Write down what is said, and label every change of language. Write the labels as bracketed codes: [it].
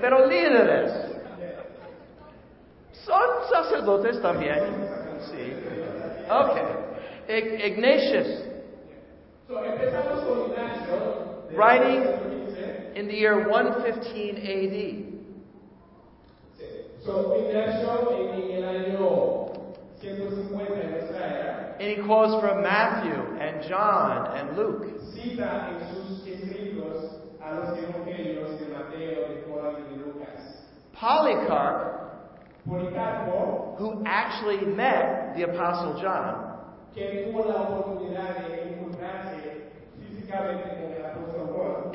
[es] Pero líderes. Son sacerdotes también, sí. Ok. Ignatius. So, empezamos con Ignacio. [en] Writing in the year 115 A.D. [es] So, Ignacio en el año 150 de nuestra era. [en] And he quotes from Matthew and John and Luke. [es] Cita en sus escritos a los evangelios de Mateo, de Juan y de Lucas. [en] Polycarp, [es] Policarpo, [en] who actually met the Apostle John, [es] que tuvo la oportunidad de encontrarse físicamente con el Apóstol Juan.